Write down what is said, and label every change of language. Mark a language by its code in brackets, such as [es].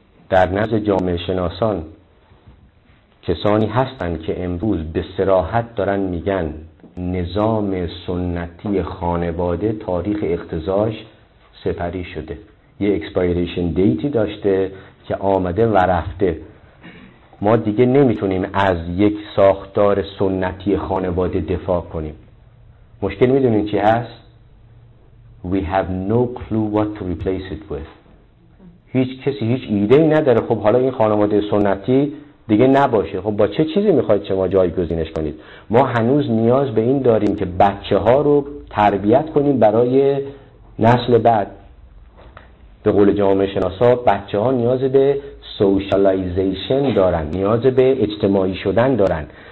[fa] در نزد جامعه شناسان کسانی هستن که امروز به صراحت دارن میگن نظام سنتی خانواده تاریخ اختزاش سپری شده، یه اکسپایریشن دیتی داشته که آمده و رفته. ما دیگه نمیتونیم از یک ساختار سنتی خانواده دفاع کنیم. مشکل میدونین چی هست؟ [en] We have no clue what to replace it with. [fa] هیچ کسی هیچ ایده‌ای نداره. خب حالا این خانواده سنتی دیگه نباشه، خب با چه چیزی میخواید شما جایگزینش کنید؟ ما هنوز نیاز به این داریم که بچه ها رو تربیت کنیم برای نسل بعد. به قول جامعه شناسا بچه ها نیاز به سوشالایزیشن دارن، نیاز به اجتماعی شدن دارن.